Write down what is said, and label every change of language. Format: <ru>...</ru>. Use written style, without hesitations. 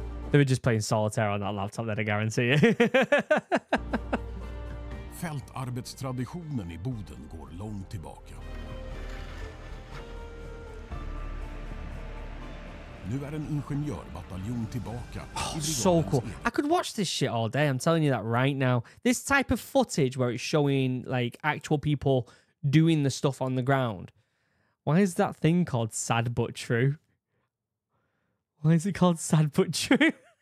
<en>They were just playing solitaire on that laptop, that I guarantee.</en> <sv>Fältarbetstraditionen i Boden går långt tillbaka. Nu är en ingenjörbataljon tillbaka.</sv> <en>Oh, so cool. I could watch this shit all day. I'm telling you that right now. This type of footage where it's showing like actual people doing the stuff on the ground. Why is that thing called Sad But True? Why is it called Sad But True?</en>